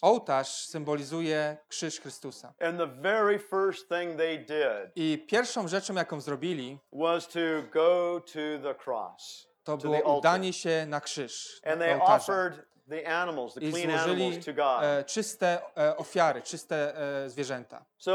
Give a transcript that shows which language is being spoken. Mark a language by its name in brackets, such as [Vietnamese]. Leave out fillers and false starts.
[Polish] Ołtarz symbolizuje krzyż Chrystusa. [English] And the very first thing they did. [Polish] I pierwszą rzeczą, jaką zrobili, [English] was to go to the cross. [Polish] To było udanie się na krzyż, na ołtarza. I złożyli czyste ofiary, czyste zwierzęta.